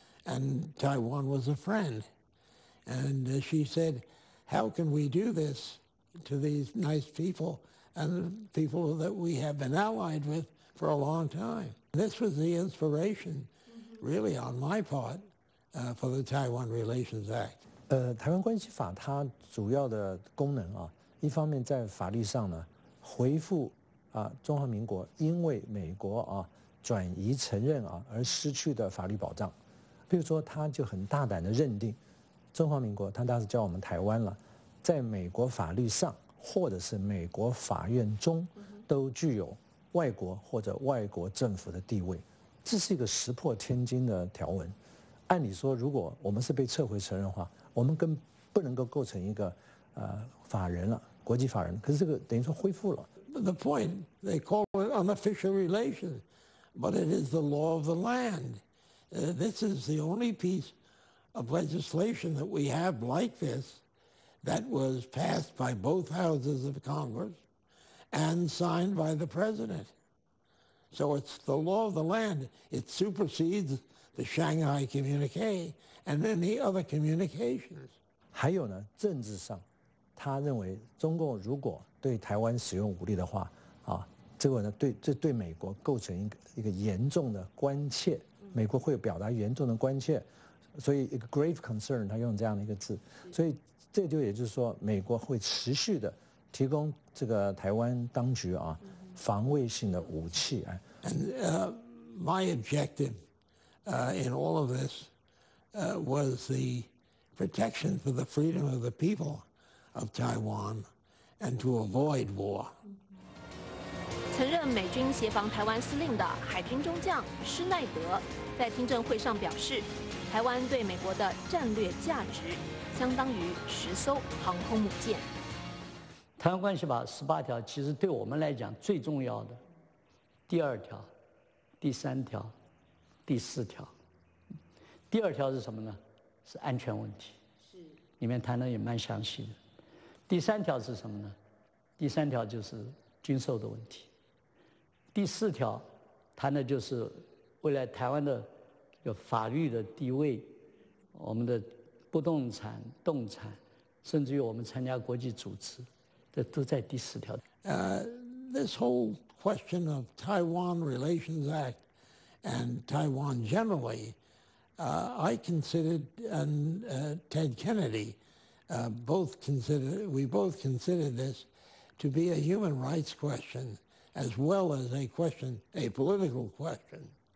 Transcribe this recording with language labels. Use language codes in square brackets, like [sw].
[en] and Taiwan was a friend. And she said, how can we do this to these nice people and the people that we have been allied with for a long time? This was the inspiration, really, on my part, for the Taiwan Relations Act. [zh] 台湾关系法它主要的功能啊，一方面在法律上呢，回复啊中华民国因为美国啊转移承认啊而失去的法律保障，比如说他就很大胆的认定，中华民国他当时叫我们台湾了，在美国法律上或者是美国法院中，都具有外国或者外国政府的地位，这是一个石破天惊的条文。按理说，如果我们是被撤回承认的话，我们更不能够构成一个法人了，国际法人。可是这个等于说恢复了。 [en] The point they call it unofficial relations, but it is the law of the land. This is the only piece of legislation that we have like this that was passed by both houses of Congress and signed by the president. So it's the law of the land. It supersedes the Shanghai communique and any other communications. [zh] 还有呢，政治上他认为中共如果对台湾使用武力的话啊，这个呢对这对美国构成一个严重的关切，美国会表达严重的关切，所以一个 [en] grave concern， [zh] 他用这样的一个字。所以这就也就是说美国会持续的提供这个台湾当局啊防卫性的武器。 [en] And my objective in all of this was the protection for the freedom of the people of Taiwan and to avoid war. [zh] 曾任美军协防台湾司令的海军中将施耐德在听证会上表示，台湾对美国的战略价值相当于十艘航空母舰。台湾关系法十八条其实对我们来讲最重要的第二条、第三条、第四条。第二条是什么呢？是安全问题，里面谈的也蛮详细的。第三条是什么呢？第三条就是军售的问题。第四条谈的就是未来台湾的有法律的地位，我们的不动产、动产，甚至于我们参加国际组织，这都在第四条。 [en] This whole question of Taiwan Relations Act and Taiwan generally, I considered and Ted Kennedy, we both considered this to be a human rights question as well as a question, a political question.